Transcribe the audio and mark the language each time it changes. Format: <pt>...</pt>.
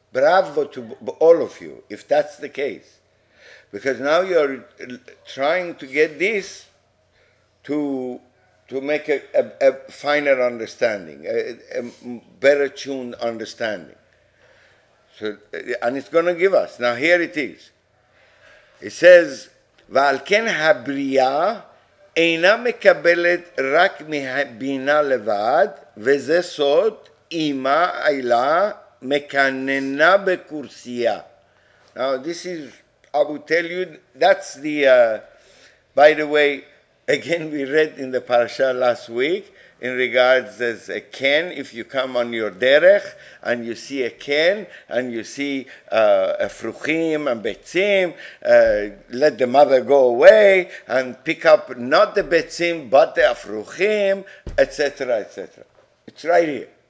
<en>Bravo to all of you, if that's the case. Because now you're trying to get this to make a finer understanding, a better tuned understanding. So, and it's going to give us. Now here it is. It says,</en> <he>ועל כן הבריאה אינה מקבלת רק מבינה לבד, וזה סוד אימה אילה</he> <arc>mekanena bekursiya.</arc> <en>Now this is, I will tell you, that's the, by the way, again, we read in the parasha last week in regards as a ken, if you come on your derech and you see a ken and you see a fruchim and betzim, let the mother go away and pick up not the betzim but the afruchim, etc., etc. It's right here.</en>